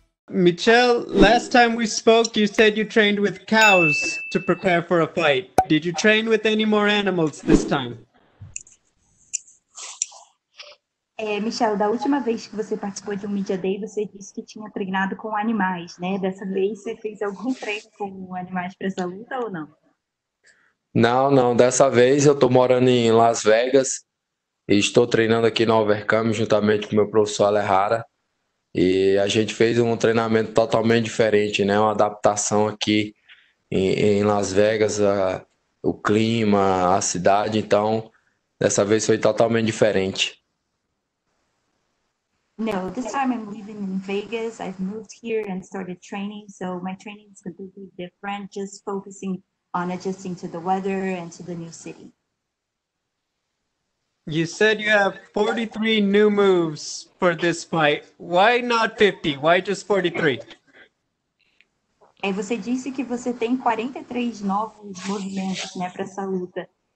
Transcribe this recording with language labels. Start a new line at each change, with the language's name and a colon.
English: Michelle, last time we spoke, you said you trained with cows to prepare for a fight. Did you train with any more animals this time?
Portuguese: Michel, da última vez que você participou de um Media Day, você disse que tinha treinado com animais, né? Dessa vez você fez algum treino com animais para essa luta ou não? Não, não. Dessa vez eu estou morando em Las Vegas e estou treinando aqui no Overcame juntamente com meu professor Alejara. E a gente fez um treinamento totalmente diferente, né? Uma adaptação aqui em Las Vegas, o clima, a cidade. Então, dessa vez foi totalmente diferente.
English: No, this time I'm living in Vegas. I've moved here and started training, so my training is completely different, just focusing on adjusting to the weather and to the new city. You said you have 43 new moves for this fight. Why not 50? Why just 43?
Portuguese: Você disse que você tem 43 novos movimentos, né, para essa luta.